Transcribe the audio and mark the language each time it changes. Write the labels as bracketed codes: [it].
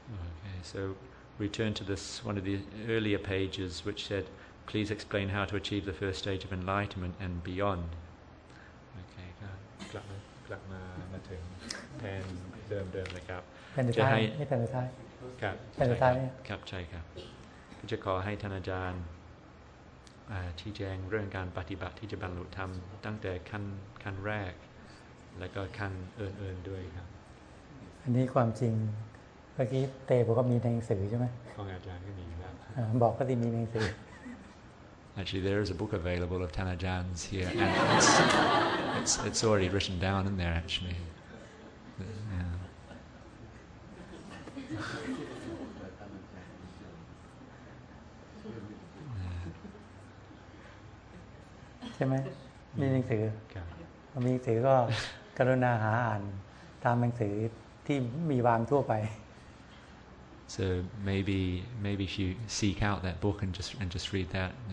[en] Okay, so we turn to this one of the earlier pages which said please explain how to achieve the first stage of enlightenment and beyond. [th] Okay, กลับมาถึงแผ่นเดิมนะครับ แผ่นสุดท้ายไม่แผ่นสุดท้าย ครับ แผ่นสุดท้าย ครับใช่ครับก็จะขอให้ท่านอาจารย์ชี้แจงเรื่องการปฏิบัติที่จะบรรลุธรรมตั้งแต่ขั้นแรกแล้วก็ขั้นอื่นๆด้วยครับ อันนี้ความจริงเมื่อกี้เตบอกว่ามีในหนังสือใช่มั้ย ของอาจารย์ก็มีครับ บอกก็ที่มีในหนังสือ [en] Actually, there is a book available of Tanajan's here, and it's already written down in there. Actually, [th] ใช่ไหมมีหนังสือมีหนังสือก็กรุณาหาอ่านตามหนังสือที่มีวางทั่วไป [en] So maybe if you seek out that book and just read that.